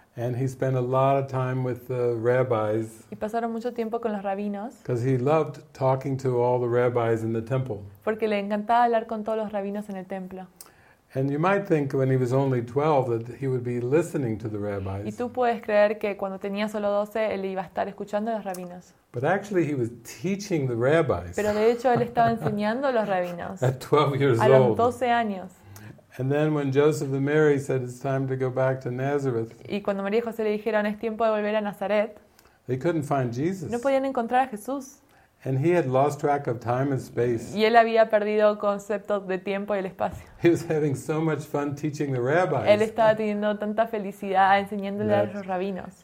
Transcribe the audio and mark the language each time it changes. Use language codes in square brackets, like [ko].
[en] And he spent a lot of time with the rabbis. [es] Y pasaron mucho tiempo con los rabinos. [en] Because he loved talking to all the rabbis in the temple. [es] Porque le encantaba hablar con todos los rabinos en el templo. [en] And you might think when he was only 12 that he would be listening to the rabbis. [es] Y tú puedes creer que cuando tenía solo 12 él iba a estar escuchando a los rabinos. [en] But actually he was teaching the rabbis. [es] Pero de hecho él estaba enseñando a los rabinos. [en] At 12 years old. [es] A los 12 años. [en] And then when Joseph and Mary said it's time to go back to Nazareth. [es] Y cuando María y José le dijeron es tiempo de volver a Nazaret. [en] They couldn't find Jesus. [es] No podían encontrar a Jesús. [en] And he had lost track of time and space. [es] Y él había perdido concepto de tiempo y el espacio. [en] He was having so much fun teaching the rabbis. [es] Él estaba teniendo tanta felicidad enseñándole a los rabinos.